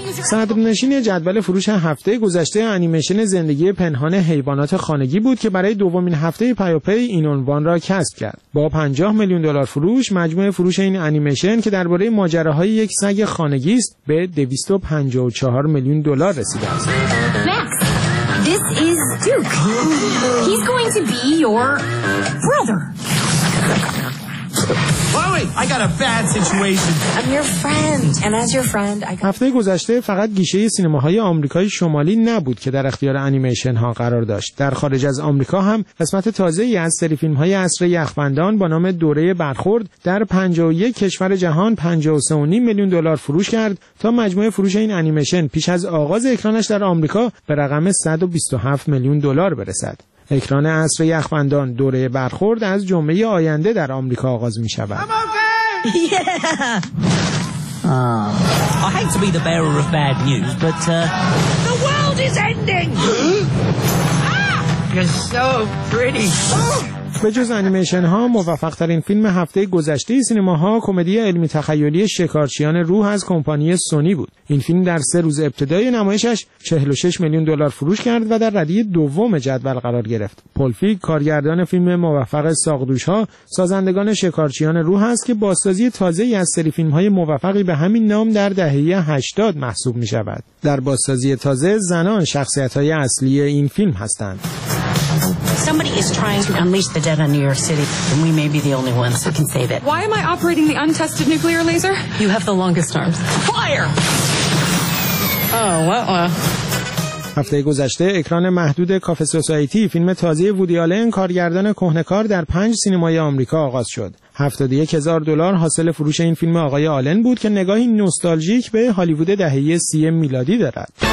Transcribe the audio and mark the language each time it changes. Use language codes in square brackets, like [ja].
[fa] صدرنشین جدول فروش هفته گذشته انیمیشن زندگی پنهان حیوانات خانگی بود که برای دومین هفته پیاپی این عنوان را کسب کرد. با 50 میلیون دلار فروش، مجموع فروش این انیمیشن که درباره ماجراهای یک سگ خانگی است به 254 میلیون دلار رسیده است. [en] This is Duke. He's going to be your brother. I got a bad situation. I'm your friend and as your friend I got. [fa] هفته گذشته فقط گیشه سینماهای آمریکای شمالی نبود که در اختیار انیمیشن ها قرار داشت. در خارج از آمریکا هم قسمت تازه‌ای از سری فیلم‌های عصر یخبندان با نام دوره برخورد در 51 کشور جهان 53.5 میلیون دلار فروش کرد تا مجموع فروش این انیمیشن پیش از آغاز اکرانش در آمریکا به رقم 127 میلیون دلار برسد. اکران عصر یخبندان دوره برخورد از جمعه آینده در آمریکا آغاز می شود. [en] I hate to be the bearer of bad news, but the world is ending. You're so pretty. [fa] به جز انیمیشن ها، موفق ترین فیلم هفته گذشته سینما ها کمدی علمی تخیلی شکارچیان روح از کمپانی سونی بود. این فیلم در سه روز ابتدای نمایشش 46 میلیون دلار فروش کرد و در ردیه دوم جدول قرار گرفت. پول فیگ کارگردان فیلم موفق ساقدوش ها، سازندگان شکارچیان روح است که بازسازی تازه ای از سری فیلم های موفقی به همین نام در دهه 80 محسوب می شود. در بازسازی تازه زنان شخصیت های اصلی این فیلم هستند. [en] Somebody is trying to unleash the dead on New York City, and we may be the only ones who can save it. Why am I operating the untested nuclear laser? You have the longest arms. Fire! Oh, well. [fa] هفته گذشته اکران محدود کافه سوسایتی فیلم تازه وودی آلن کارگردان کهنه‌کار در 5 سینمای آمریکا آغاز شد. 71,000 دلار حاصل فروش این فیلم آقای آلن بود که نگاهی نوستالژیک به هالیوود دهه 30 میلادی دارد.